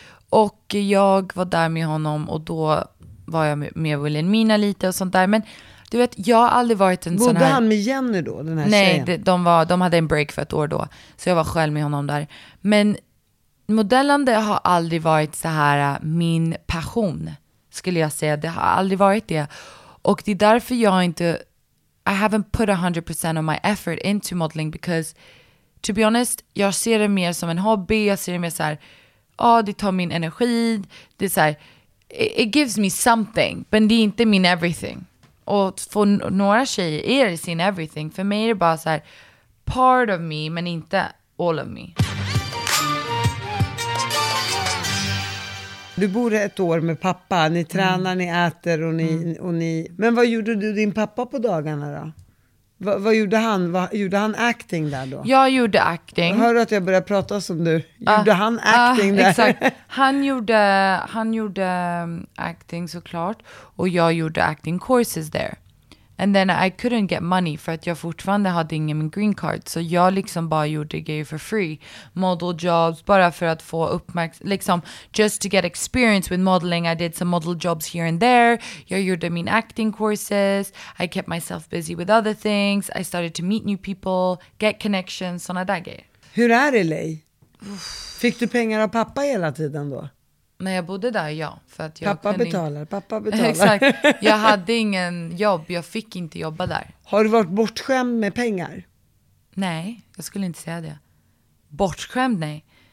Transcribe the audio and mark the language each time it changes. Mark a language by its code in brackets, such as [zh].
[sv] Och jag var där med honom och då var jag med Wilhelmina lite och sånt där. Men du vet, jag har aldrig varit en bodde sån här... Bodde han med Jenny då, den här Nej, tjejen? Nej, de hade en break för ett år då. Så jag var själv med honom där. Men modellande har aldrig varit så här min passion, skulle jag säga. Det har aldrig varit det. Och det är därför jag inte... [en] I haven't put 100% of my effort into modeling because, to be honest, [sv] jag ser det mer som en hobby. Jag ser det mer så här... Ja, det tar min energi. Det är så här... [en] It gives me something, [sv] men det är inte min everything. Och för några tjejer är det sin everything. För mig är det bara så här, [en] part of me, [sv] men inte [en] all of me. [sv] Du bor ett år med pappa. Ni tränar, ni äter och ni... Men vad gjorde du din pappa på dagarna då? Vad gjorde han? Vad gjorde han acting där då? Jag gjorde acting. Hör du att jag började prata som du? Gjorde han acting där? Exakt. Han gjorde acting såklart. Och jag gjorde acting courses there. [en] And then I couldn't get money [sv] för att jag fortfarande hade ingen green card. Så jag liksom bara gjorde grejer [en] for free. [sv] Model jobs, bara för att få uppmärksamhet. [en] Liksom, just to get experience with modeling. I did some model jobs here and there. [sv] Jag gjorde min acting courses. [en] I kept myself busy with other things. I started to meet new people, get connections, [sv] sådana där grejer. Hur är det, Lej? Fick du pengar av pappa hela tiden då? När jag bodde där, ja. För att jag pappa betalar. Exakt. Jag hade ingen jobb, jag fick inte jobba där. Har du varit bortskämd med pengar? Nej, jag skulle inte säga det. Bortskämd, nej.